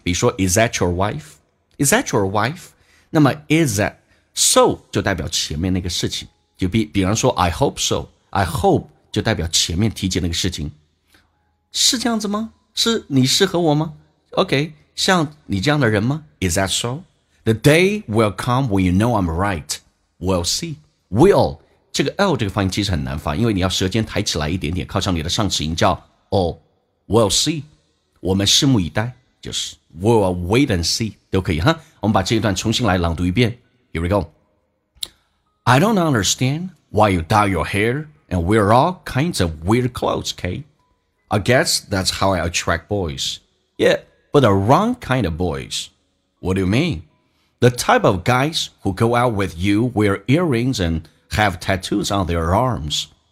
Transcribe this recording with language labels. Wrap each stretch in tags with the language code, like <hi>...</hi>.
<zh>比如说</zh> <en>is that your wife? Is that your wife?</en> <zh>那么</zh> <en>is that so</en> <zh>就代表前面那个事情，就比方说</zh> <en>I hope so.</en> <zh>I hope 就代表前面提及那个事情。是这样子吗？是你适合我吗？OK， 像你这样的人吗？</zh> <en>Is that so? The day will come when you know I'm right. We'll see. Will</en> <zh>这个 L 这个发音其实很难发，因为你要舌尖抬起来一点点，靠上你的上齿龈叫 O。 We'll see， 我们拭目以待，就是</zh> <en>We'll wait and see</en> <zh>都可以哈。我们把这一段重新来朗读一遍。</zh> <en>Here we go. I don't understand why you dye your hair and wear all kinds of weird clothes, Kate. I guess that's how I attract boys. Yeah, but the wrong kind of boys. What do you mean? The type of guys who go out with you wear earrings and have tattoos on their arms.</en>